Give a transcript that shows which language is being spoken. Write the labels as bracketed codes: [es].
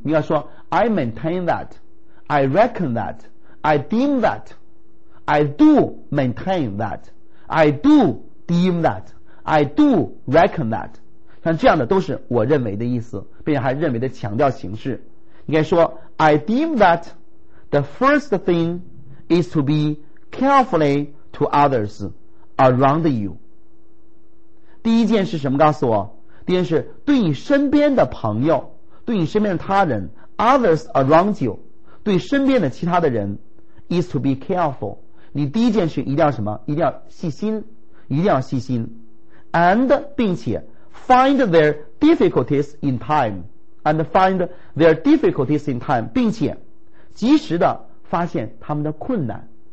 [zh] 你要说 [en] I maintain that， I reckon that， I deem that， I do maintain that， I do deem that， I do reckon that。 [zh] 像这样的都是我认为的意思，并且还认为的强调形式。应该说 [en] I deem that the first thing is to be carefully to others around you。 [zh] 第一件是什么告诉我？第一件是对你身边的朋友，对你身边的他人， [en] others around you， [zh] 对身边的其他的人， [en] is to be careful。 [zh] 你第一件事一定要什么？一定要细心，一定要细心。 [en] And [zh] 并且 [en] find their difficulties in time， and find their difficulties in time， [zh] 并且及时的发现他们的困难。